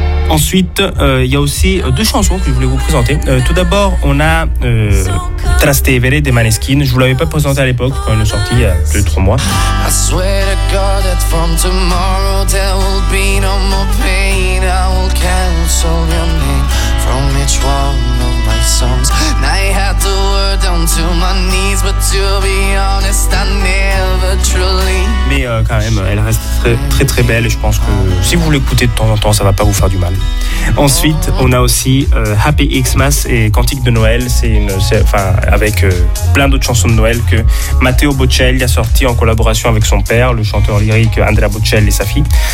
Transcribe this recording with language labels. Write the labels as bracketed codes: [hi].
[fr] Ensuite, il y a aussi deux chansons que je voulais vous présenter. Tout d'abord, on a Trastevere de Maneskin. Je vous l'avais pas présenté à l'époque quand elle est sortie il y a 2-3 mois. [en] I swear to God that from tomorrow there will be no more pain. I will cancel your name from each one of my songs. And I had to work down to my knees, but to be honest, I never truly. [fr] Mais quand même, elle reste très, très très belle et je pense que si vous l'écoutez de temps en temps, ça va pas vous faire du mal. Ensuite, on a aussi Happy Xmas et Cantique de Noël. C'est avec plein d'autres chansons de Noël que Matteo Bocelli a sorti en collaboration avec son père, le chanteur lyrique Andrea Bocelli et sa fille.